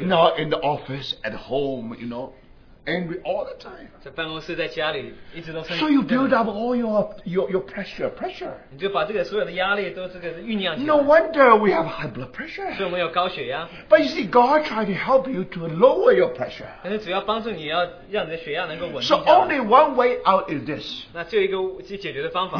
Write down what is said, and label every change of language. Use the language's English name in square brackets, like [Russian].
[English] now in the office, at home, you know, angry all the time. [Chinese] 在办公室, 在家里, 一直都生气, [English] so you build up all your pressure. [Chinese] 你就把这个所有的压力都这个酝酿起来, [English] no wonder we have high blood pressure. [Chinese] 所以我们有高血压, [English] but you see, God tried to help you to lower your pressure. [Chinese] 但是只要帮助你要让你的血压能够稳定下来, [English] so only one way out is this. [Chinese] 那只有一个解决的方法,